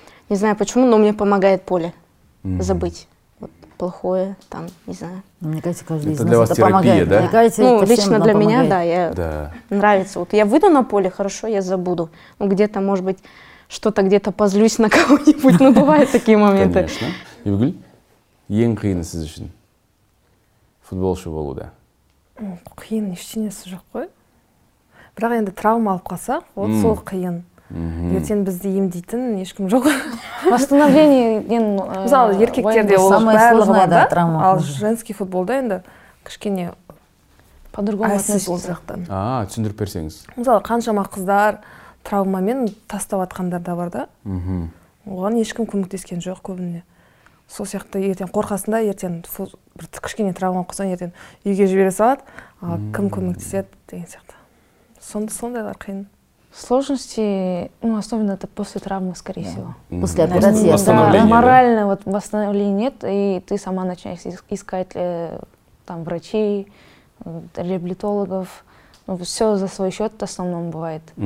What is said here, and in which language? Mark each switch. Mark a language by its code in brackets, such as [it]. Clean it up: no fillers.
[ru] Не знаю почему, но мне помогает поле забыть. Вот, плохое, там, не знаю. Мне кажется, каждый это для вас это терапия, помогает. Да? Мне кажется, ну, лично для меня, помогает. Да, я нравится. Вот я выйду на поле, хорошо, я забуду. Ну, где-то, может быть, что-то где-то позлюсь на кого-нибудь, но бывают такие моменты. Конечно. [kk] Ивгуль, ең қиыны сіз үшін футболшы болу, да? Қиын ештеңесі жоқ қой. Бірақ енді травма алып қалса, вот сол қиын. Ертен бізді емдейтін ешкім жоқ. [ru] Восстановление ен [kk] мысалы еркектерде ол барлығы да, ал женский футболда енді кішкене [ru] по-другому [kk] отнесіз ол жақтан. А, түсіндіріп берсеңіз. Мысалы қаншама қыздар травмамен тастап атқандар да бар да. Оған ешкім көмектескен жоқ көбіне. Сол сияқты ертен қорқасында ертен бір кішкене травма қылса ертен үйге жібере салады, а кім көмектеседі деген сияқты. Сондайлар қиын. [ru] Сложности, ну, особенно это после травмы, скорее всего. После операции. Восстановление, да. Морально вот восстановления нет, и ты сама начинаешь искать там врачей, реабилитологов. Ну, все за свой счет в основном бывает.